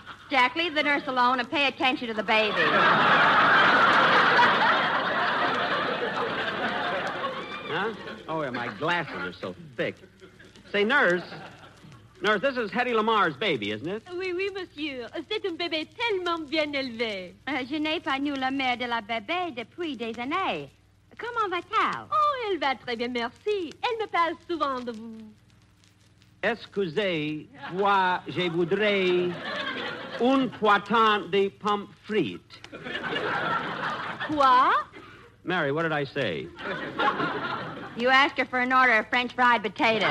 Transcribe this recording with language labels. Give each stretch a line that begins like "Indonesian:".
English: Jack, leave the nurse alone and pay attention to the baby. Huh? Oh, my glasses are so thick. Say, nurse, this is Hetty Lamar's baby, isn't it?
French: Oui, monsieur. C'est un bébé tellement bien élevé. Je n'ai pas nu la mère de la bébé depuis des années. Comment va-t-elle? Oh, elle va très bien, merci. Elle me parle souvent de vous. Excusez-moi, je voudrais un poitain de pommes frites. Quoi?
English: Mary, what did I say? You asked her for an order of French fried potatoes.